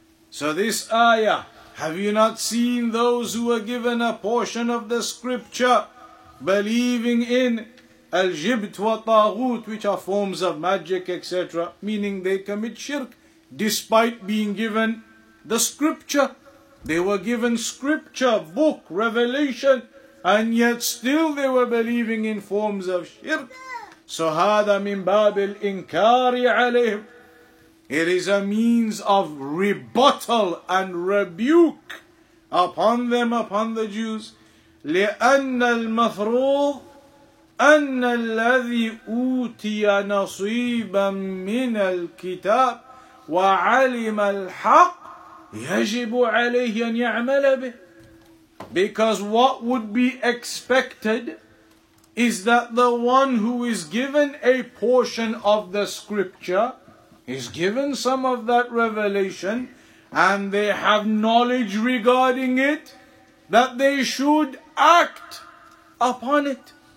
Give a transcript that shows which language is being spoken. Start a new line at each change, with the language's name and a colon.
English: So this ayah, have you not seen those who were given a portion of the scripture believing in al-jibt wa taghut, which are forms of magic, etc., meaning they commit shirk despite being given the scripture. They were given scripture, book, revelation, and yet still they were believing in forms of shirk. So,
Arabic: هذا من باب الإنكار عليهم.
English: It is a means of rebuttal and rebuke upon them, upon the Jews.
Arabic: لأن المفروض أن الذي أوتي نصيبا من الكتاب وعلم الحق يجب عليه أن يعمل به.
English: Because what would be expected is that the one who is given a portion of the scripture, is given some of that revelation, and they have knowledge regarding it, that they should act upon it.